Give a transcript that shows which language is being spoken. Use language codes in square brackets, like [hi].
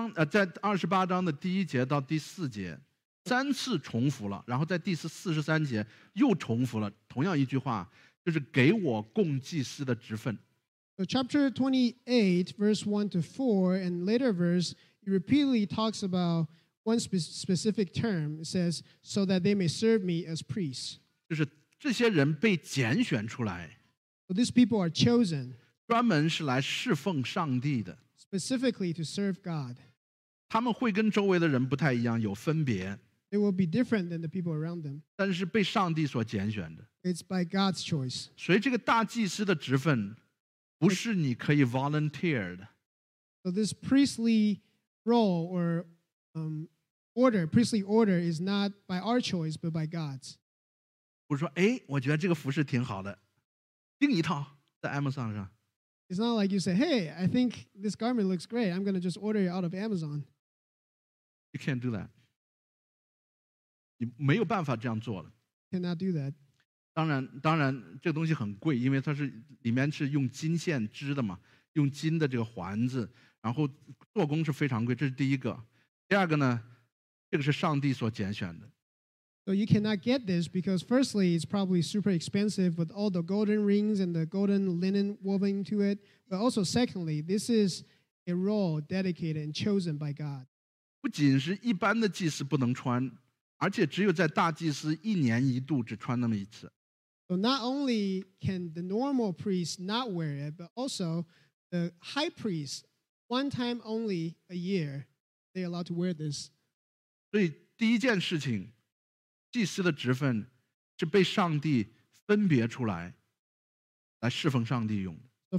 [zh] 在二十八章的第一节到第四节，三次重复了，然后在第43节又重复了同样一句话，就是给我供祭司的职分。 [en] So chapter 28, verse 1 to 4, and later verse, it repeatedly talks about one specific term. It says, so that they may serve me as priests. [zh] 就是这些人被拣选出来。 [en] So these people are chosen. [zh] 专门是来侍奉上帝的。 [en] Specifically to serve God. [zh] 他们会跟周围的人不太一样，有分别。 [en] They will be different than the people around them. [zh] 但是被上帝所拣选的。 [en] It's by God's choice. [zh] 所以这个大祭司的职分不是你可以 volunteer 的。 [en] So this priestly role or priestly order is not by our choice, but by God's. [zh] 不是说，哎，我觉得这个服饰挺好的，订一套在 Amazon 上。 [en] It's not like you say, hey, I think this garment looks great. I'm going to just order it out of Amazon. You can't do that. [zh] 你没有办法这样做了。 [en] Cannot do that. [zh] 当然这个东西很贵，因为它是里面是用金线织的嘛，用金的这个环子，然后做工是非常贵，这是第一个。第二个呢，这个是上帝所拣选的。 [en] So you cannot get this because firstly, it's probably super expensive with all the golden rings and the golden linen woven into it. But also secondly, this is a role dedicated and chosen by God. [zh] 不仅是一般的祭司不能穿，而且只有在大祭司一年一度只穿那么一次。 [en] So not only can the normal priest not wear it, but also the high priest, one time only a year, they are allowed to wear this. [zh] 所以第一件事情祭司的职分是被上帝分别出来，来侍奉上帝用的。